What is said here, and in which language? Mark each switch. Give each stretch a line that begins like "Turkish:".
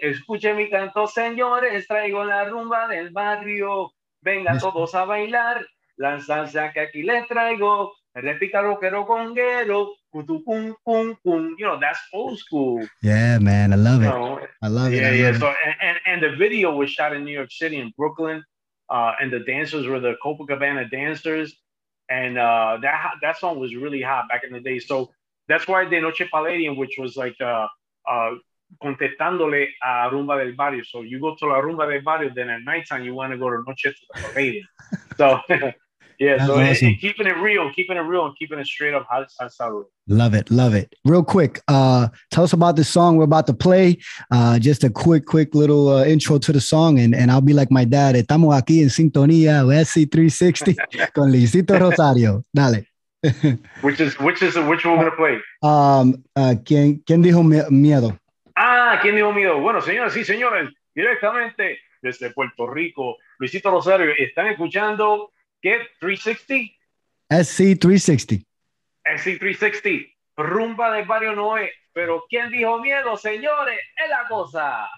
Spanish: Escuche mi canto, señores. Traigo la rumba del barrio. Venga todos a bailar. La salsa que aquí les traigo. Repita rockero conguero. Cutu cum cum cum.
English: You know, that's old school. Yeah, man. I love it. So, and the video was shot in New York City in Brooklyn. And the dancers were the Copacabana dancers. And that song was really hot back in the day. So that's why De Noche Palladium, which was like
Spanish: contestándole
English: a Rumba del Barrio. So you go to La Rumba del Barrio, then at nighttime, you want to go to Noche to the Palladium. So, yeah, that's so awesome. keeping it real and keeping it straight up. Love it. Real quick, tell us about the song we're about to play. Just a quick little intro to the song, and I'll be like my dad.
Spanish: Estamos aquí en sintonía, SC360 con Luisito Rosario. Dale.
English: which one we're gonna play?
Spanish: ¿Quién dijo miedo? ¿Quién dijo miedo? Bueno, señoras y señores, directamente desde Puerto Rico, Luisito Rosario, están escuchando.
English: Get 360? SC360. SC360. Rumba de Barrio Noé.
Spanish: Pero ¿quién dijo miedo, señores? Es la cosa.